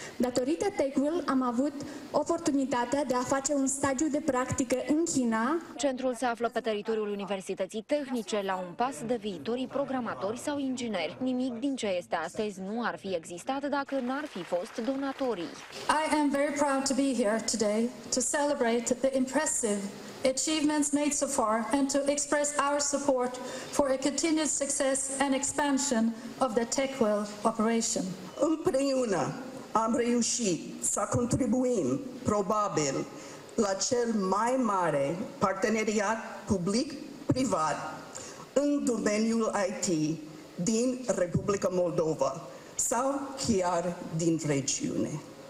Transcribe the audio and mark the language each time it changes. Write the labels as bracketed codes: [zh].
[ro] Datorită TechWheel am avut oportunitatea de a face un stagiu de practică în China. Centrul se află pe teritoriul Universității Tehnice, la un pas de viitorii programatori sau ingineri. Nimic din ce este astăzi nu ar fi existat dacă n-ar fi fost donatorii. [en] I am very proud to be here today to celebrate the impressive achievements made so far and to express our support for a continued success and expansion of the TechWheel operation. [ro] Împreună am reușit să contribuim probabil la cel mai mare parteneriat public-privat în domeniul IT din Republica Moldova sau chiar din regiune.